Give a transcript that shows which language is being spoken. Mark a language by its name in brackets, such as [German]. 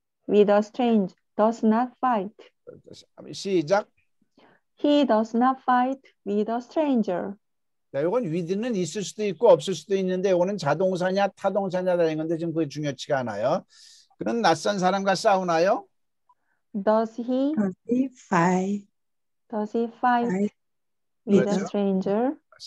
[English] He does not fight with a stranger. [Korean] 시작. [English] He does not fight with a stranger. [Korean] 자, 이건 with는 있을 수도 있고 없을 수도 있는데 이거는 자동사냐 타동사냐라는 건데 지금 그게 중요치가 않아요. 그는 낯선 사람과 싸우나요? [English] Does he fight with a stranger?